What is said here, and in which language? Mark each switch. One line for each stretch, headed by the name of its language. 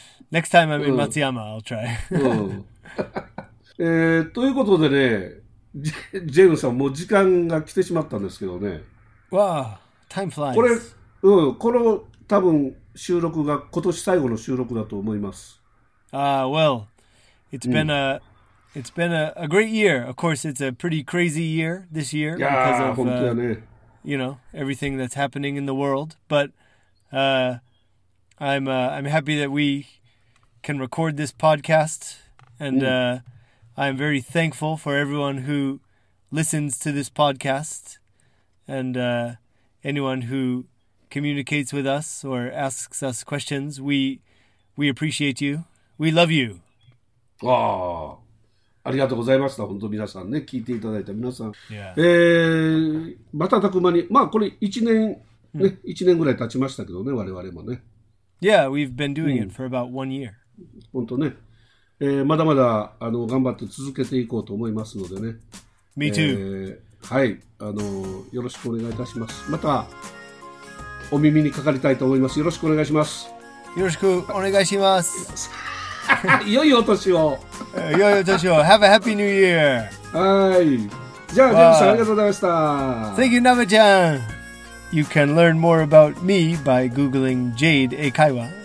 English: Next time I'm in Matsuyama, I'll try.
Japanese: ということでね、ジェームさん、もう時間が来てしまったんですけどね。
English: Wow, time flies.
Japanese: これ、うん、この多分収録が今年最後の収録だと思います。
English: Ah, well, it's been a、うん、it's been a great year. Of course, it's a pretty crazy year this year because of、ね、 you know everything that's happening in the world. But、I'm happy that we can record this podcast, and、うん、I'm very thankful for everyone who listens to this podcast. And、anyone who communicates with us or asks us questions, we appreciate you. We love you.
Japanese: Ah, ありがとうございました。本当皆さんね、聞いていただいた皆さん。
English: Yeah.
Japanese: 瞬く間に、まあこれ1年、ね、1年ぐらい経ちましたけどね、我々もね。
English: Yeah, we've been doing it for about 1 year.
Japanese: 本当ね。まだまだ頑張って続けていこうと思いますのでね。
English: Me too.
Japanese: はい、よろしくお願いいたします。またお耳にかかりたいと思います。よろしくお願いします。よろしくお願いします。良いお年を。良いお年を。
English: Have a happy new year。
Japanese: はい、じゃあ、ジェームスさん、ありがとうございました。
English: Thank you, Nabe-chan. You can learn more about me by googling Jade Eikaiwa.